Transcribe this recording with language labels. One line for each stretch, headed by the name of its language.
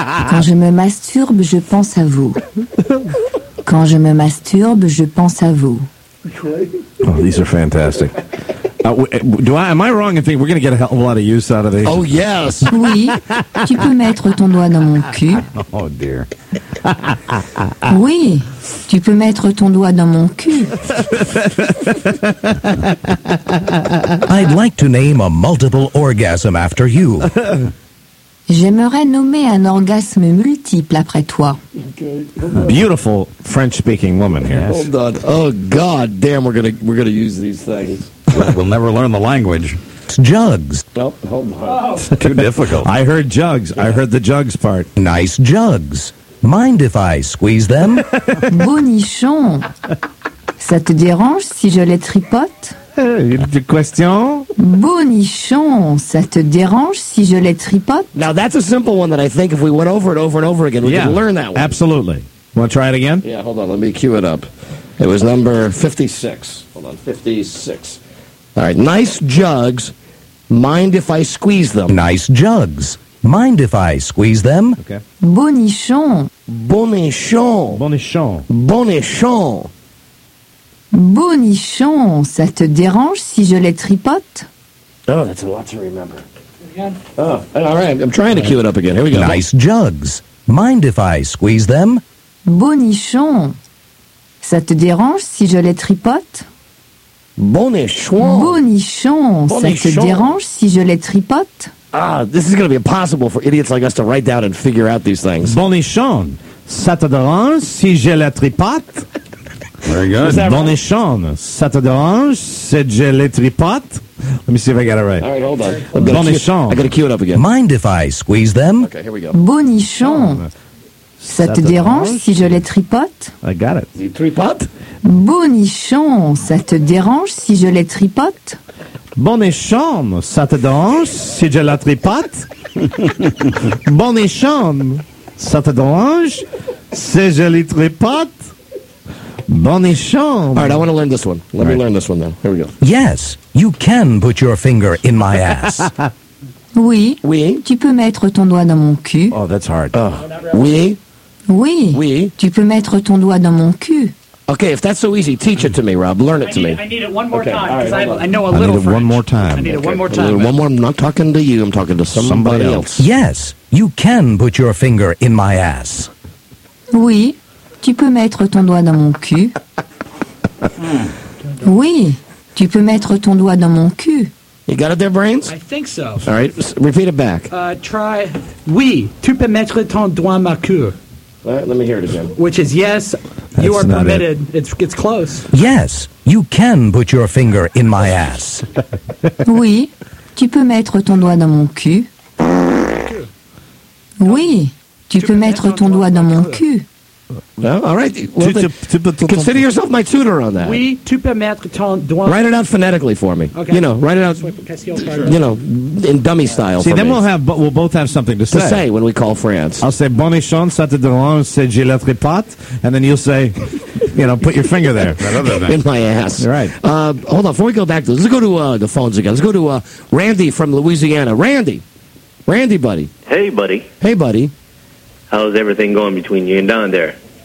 French: Quand je me masturbe, je pense à vous. Quand je me masturbe, je pense à vous.
English: Oh, these are fantastic. Am I wrong in thinking we're going to get a hell of a lot of use out of these? Oh, yes.
French: Oui, tu peux mettre ton doigt dans mon cul.
English: Oh, dear.
French: Oui, tu peux mettre ton doigt dans mon cul.
English: I'd like to name a multiple orgasm after you.
French: J'aimerais nommer un orgasme multiple après toi.
English: Beautiful French-speaking woman here. Hold on. Oh, God damn, we're gonna use these things. We'll never learn the language. It's jugs. Oh, hold on. Too difficult. I heard jugs. Yeah. I heard the jugs part. Nice jugs. Mind if I squeeze them?
French: Bonichon. Ça te dérange si je les tripote? Une question? Bonichon, ça te dérange si je les tripote?
English: Now that's a simple one that I think if we went over it over and over again, we could learn that one. Absolutely. Want to try it again? Yeah, hold on. Let me cue it up. It was number 56. Hold on, 56. All right, nice jugs. Mind if I squeeze them? Nice jugs. Mind if I squeeze them? Okay.
French: Bonichon. Bonichon. Bonichon. Bonichon. Bonichon, ça te dérange si je les tripote?
English: Oh, that's a lot to remember. Again? Oh, all right, I'm trying to cue it up again. Here we go. Nice jugs. Mind if I squeeze them?
French: Bonichon, ça te dérange si je les tripote? Bonichon. Bonichon, ça te dérange si je les tripote?
English: Ah, this is going to be impossible for idiots like us to write down and figure out these things.
French: Bonichon, ça te dérange si je les tripote?
English: Very good.
French: Bonichon, ça te dérange si je les tripote?
English: Let me see if I got it right. All right, hold on.
French: Bonichon.
English: I got to cue it up again. Mind if I squeeze them? Okay, here we go.
French: Bonichon. Ça te dérange si je les tripote?
English: I got it. You
French: tripote? Bonichon, ça te dérange si je les tripote? Bonichon, ça te dérange si je la tripote? Bonichon, ça te dérange si je les tripote? Bonichon.
English: All right, I want to learn this one. Let me learn this one then. Here we go. Yes, you can put your finger in my ass.
French: Oui. Oui. Tu peux mettre ton doigt dans mon cul.
English: Oh, that's hard.
French: Oui. Oui. Oui. Tu peux mettre ton doigt dans mon cul.
English: Okay, if that's so easy, teach it to me, Rob. Learn it to me. I need it one more time, because I know a little French. I need it one more time. I need it one more time. One more, I'm not talking to you, I'm talking to somebody else. Yes, you can put your finger in my ass. Oui, tu peux mettre ton doigt dans mon cul. Oui, tu peux mettre ton doigt dans mon cul. You got it there, brains? I think so. All right, repeat it back. Try,
French: oui, tu peux mettre ton doigt dans mon cul.
English: Let me hear it again. Which is, yes, that's you are permitted. It. It's close. Yes, you can put your finger in my ass. Oui, tu peux mettre ton doigt dans mon cul. Oui, tu peux mettre ton doigt dans mon cul. Well, all right. Consider yourself my tutor on that.
French: Oui, tu peux mettre ton doigt.
English: Write it out phonetically for me. Okay. You know, write it out, you know, in dummy style. See, for then me. We'll both have something to say. To say when we call France. I'll say,
French: bonne chance, ça te dérange, c'est je la tripote.
English: And then you'll say, you know, put your finger there. In my ass. You're right. Hold on, before we go back to this, let's go to the phones again. Let's go to Randy from Louisiana. Randy. Randy, buddy. Hey, buddy. Hey, buddy. How's everything going between you and Don there?